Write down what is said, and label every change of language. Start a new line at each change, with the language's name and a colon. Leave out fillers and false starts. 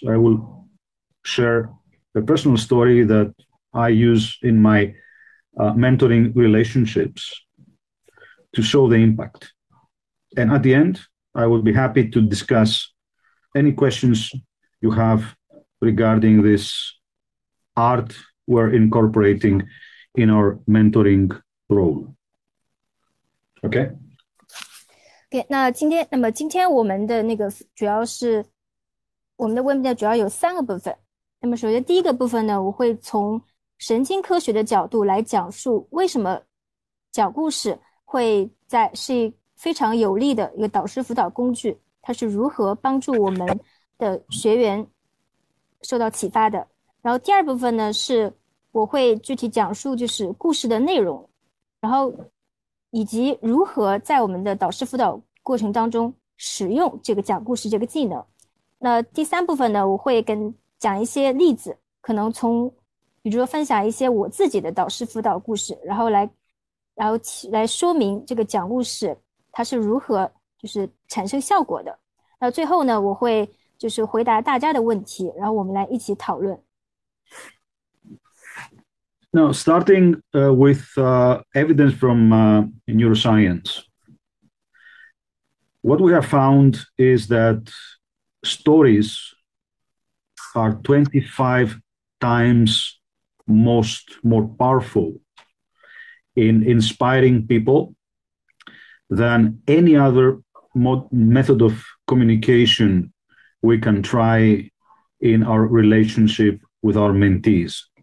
English: I will share a personal story that I use in my mentoring relationships to show the impact. And at the end, I will be happy to discuss any questions you have regarding this art we're incorporating in our mentoring role. Okay. Okay.
Chinese: 那么今天我们的那个主要是我们的问题主要有三个部分。那么首先第一个部分呢，我会从神经科学的角度来讲述为什么讲故事是非常有力的一个导师辅导工具，它是如何帮助我们的学员受到启发的。然后第二部分呢，是我会具体讲述就是故事的内容，然后。以及如何在我们的导师辅导过程当中使用这个讲故事这个技能。那第三部分呢，我会跟讲一些例子，可能从比如说分享一些我自己的导师辅导故事，然后来说明这个讲故事它是如何就是产生效果的。那最后呢，我会就是回答大家的问题，然后我们来一起讨论。
English: Now, starting with evidence from neuroscience, what we have found is that stories are 25 times more powerful in inspiring people than any other method of communication we can try in our relationship with our mentees.